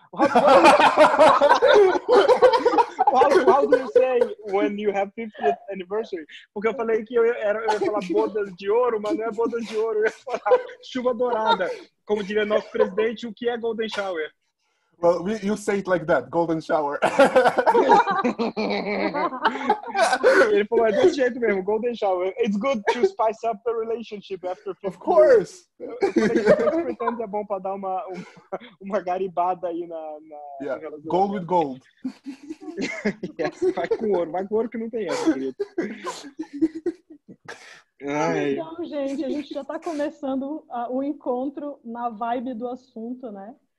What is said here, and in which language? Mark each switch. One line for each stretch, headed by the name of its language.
English: How do you say when you have 50th anniversary?
Portuguese: Porque eu falei que eu ia falar bodas de ouro, mas não é bodas de ouro, eu ia falar chuva dourada. Como diria nosso presidente, o que é Golden Shower?
English: Well, you say it like that, golden shower.
Portuguese: Ele falou, é desse jeito mesmo, Golden Shower.
English: It's good to spice up the relationship after 50 Of course.
Portuguese: Eu falei, pretende é bom para dar uma garibada aí
English: Yeah, no gold with gold.
Portuguese: Yes, vai com ouro que não tem essa, querido. Ai. Então, gente, a gente já está começando o encontro na vibe do assunto, né?